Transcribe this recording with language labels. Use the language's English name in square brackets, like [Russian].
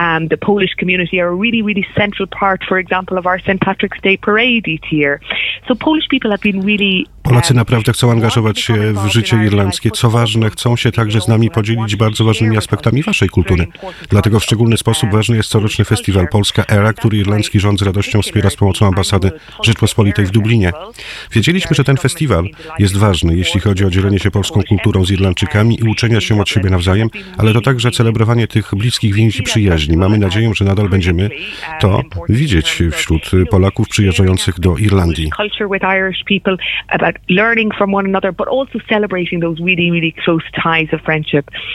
[English] The Polish community are a really, really central part, for example, of our St. Patrick's Day parade each year. So Polish people have been really. [Polish] Polacy naprawdę chcą angażować się w życie irlandzkie. Co ważne, chcą się także z nami podzielić bardzo ważnymi aspektami waszej kultury. Dlatego w szczególny sposób ważny jest coroczny festiwal Polska Era, który irlandzki rząd z radością wspiera z pomocą ambasady Rzeczpospolitej w Dublinie. Wiedzieliśmy, że ten festiwal jest ważny, jeśli chodzi o dzielenie się polską kulturą z Irlandczykami i uczenia się od siebie nawzajem, ale to także celebrowanie tych bliskich więzi przyjaźni. Mamy nadzieję, że nadal będziemy to widzieć wśród Polaków przyjeżdżających do Irlandii. [English] Culture with Irish people about learning from one another, but also celebrating those really, really close ties of friendship.